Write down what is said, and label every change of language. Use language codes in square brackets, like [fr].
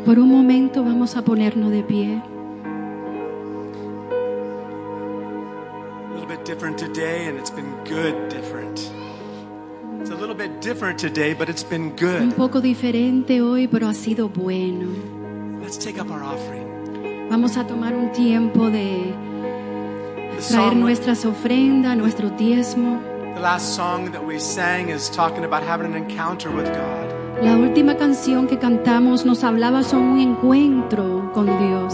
[es] Por un momento vamos a ponernos de pie. [en] A little bit different today, and it's been good different. It's a little bit different today, but it's been good. [es] Un poco diferente hoy, pero ha sido bueno. [en] Let's take up our offering. [es] Vamos a tomar un tiempo de traer nuestras ofrendas, nuestro diezmo. [en] The last song that we sang is talking about having an encounter with God. [es] La última canción que cantamos nos hablaba sobre un encuentro con Dios.